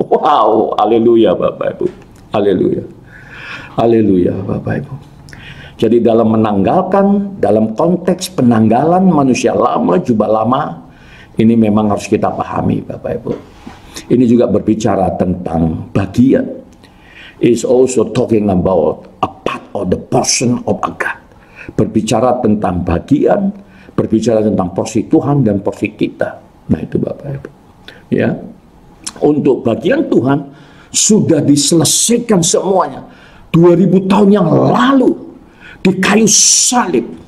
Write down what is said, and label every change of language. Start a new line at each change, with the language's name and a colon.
Indonesian: Wow, haleluya, Bapak Ibu. Haleluya. Haleluya, Bapak Ibu. Jadi dalam menanggalkan, dalam konteks penanggalan manusia lama, jubah lama, ini memang harus kita pahami, Bapak Ibu. Ini juga berbicara tentang bagian.
English: It's also talking about a part of the person of a God.
Indonesian: Berbicara tentang bagian, berbicara tentang porsi Tuhan dan porsi kita. Nah itu, Bapak Ibu. Ya, untuk bagian Tuhan sudah diselesaikan semuanya 2000 tahun yang lalu di kayu salib.